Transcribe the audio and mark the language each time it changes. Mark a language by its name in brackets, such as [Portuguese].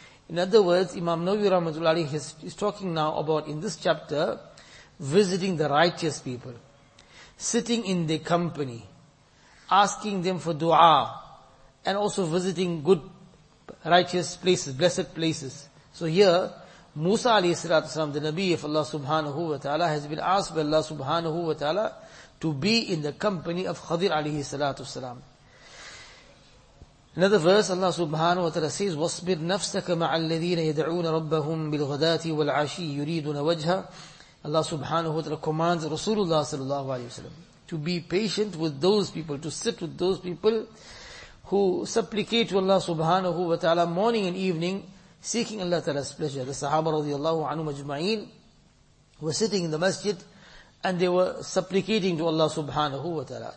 [English] In other words, Imam Nawawi rahmatullahi alayhi is talking now about, in this chapter, visiting the righteous people, sitting in their company, asking them for dua, and also visiting good righteous places, blessed places. So here, Musa alayhi salatu salam, the Nabi of Allah subhanahu wa ta'ala, has been asked by Allah subhanahu wa ta'ala to be in the company of Khadir alayhi salatu salam. Another verse, Allah subhanahu wa ta'ala says, [Arabic] وَاصْبِرْ نَفْسَكَ مَعَ الَّذِينَ يَدْعُونَ رَبَّهُمْ بِالْغَدَاتِ وَالْعَشِيِّ يُرِيدُونَ وَجْهَةِ. [English] Allah subhanahu wa ta'ala commands Rasulullah sallallahu alayhi wa sallam to be patient with those people, to sit with those people who supplicate to Allah subhanahu wa ta'ala morning and evening, seeking Allah ta'ala's pleasure. The Sahaba radiallahu anhu majma'in were sitting in the masjid and they were supplicating to Allah subhanahu wa ta'ala.